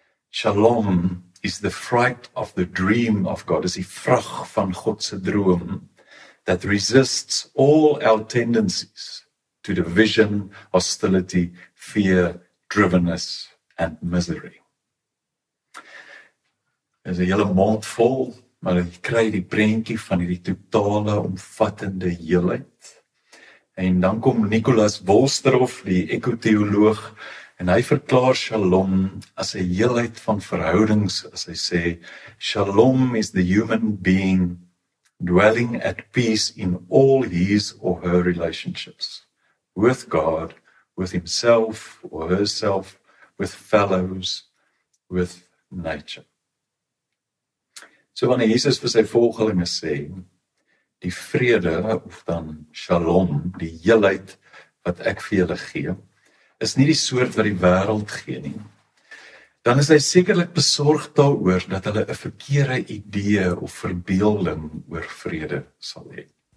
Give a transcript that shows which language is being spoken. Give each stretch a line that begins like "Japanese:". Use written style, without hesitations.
English: Shalom is the fruit of the dream of God,
Afrikaans: is die vrug van God se droom,
English: that resists all our tendencies to division, hostility, fear, drivenness and misery.
Afrikaans: Is 'n hele mond vol, maar jy kry die prentjie van hierdie totale omvattende heelheid. En dan kom Nicholas Wolsterhof, die ekoteoloog, en hy verklaar shalom as 'n heelheid van verhoudings, as hy sê,
English: shalom is the human being dwelling at peace in all his or her relationships, with God, with himself or herself, with fellows, with nature.
Afrikaans: So wanneer Jesus vir sy volgelinge sê, die vrede, of dan shalom, die heelheid wat ek vir julle gee, is nie die soort wat die wêreld gee nie, dan is hy sekerlik besorg daaroor dat hulle 'n verkeerde idee of verbeelding oor vrede sal hê.